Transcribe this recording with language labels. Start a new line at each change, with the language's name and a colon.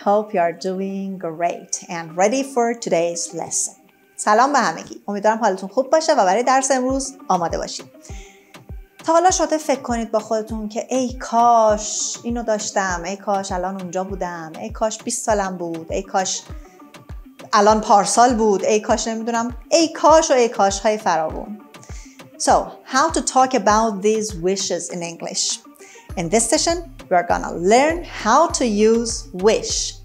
English: Hope you are doing great and ready for today's lesson.
Persian: سلام به همگی. امیدوارم حالتون خوب باشه و برای درس امروز آماده باشید. تا حالا شده فکر کنید با خودتون که ای کاش اینو داشتم، ای کاش الان اونجا بودم، ای کاش 20 سالم بود، ای کاش الان پارسال بود، ای کاش نمیدونم، ای کاش و ای کاش های فراوون.
English: So, how to talk about these wishes in English? In this session, we are gonna learn how to use wish.